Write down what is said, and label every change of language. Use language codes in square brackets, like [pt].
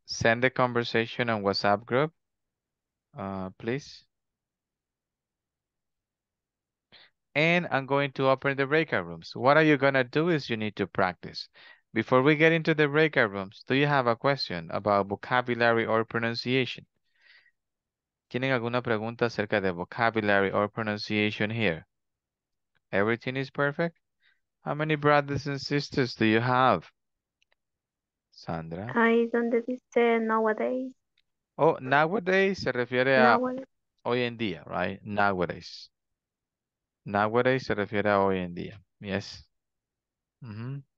[en] Send the conversation on WhatsApp group, please. And I'm going to open the breakout rooms. What are you going to do is you need to practice. Before we get into the breakout rooms, do you have a question about vocabulary or pronunciation? [es] ¿Tienen alguna pregunta acerca de [en] vocabulary or pronunciation here? Everything is perfect? How many brothers and sisters do you have? Sandra? [es] Hi, ¿dónde dice nowadays? Oh, nowadays se refiere a hoy en día, right? Nowadays. Nowadays se refiere a hoy en día. Yes. Mm-hmm.